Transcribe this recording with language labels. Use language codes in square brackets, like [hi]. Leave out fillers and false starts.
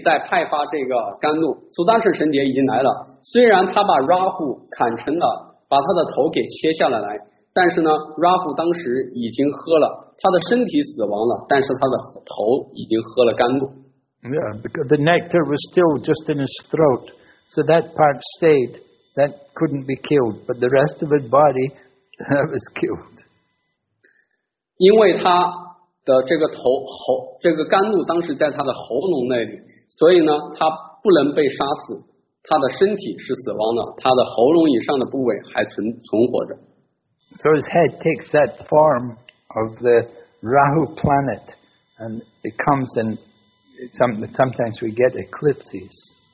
[zh] 在派发这个甘露，苏达善神蝶已经来了。虽然他把 Rahu 砍成了，把他的头给切下来，但是呢 ，Rahu 当时已经喝了，他的身体死亡了，但是他的头已经喝了甘露。 [en] Yeah, because the nectar was still just in his throat, so that part stayed, that couldn't be killed, but the rest of his body was killed. [zh] 因为他的这个头这个甘露当时在他的喉咙那里，所以呢他不能被杀死，他的身体是死亡的，他的喉咙以上的部位还存活着。 [en] So his head takes that form of the Rahu planet and it comes and sometimes we get eclipses.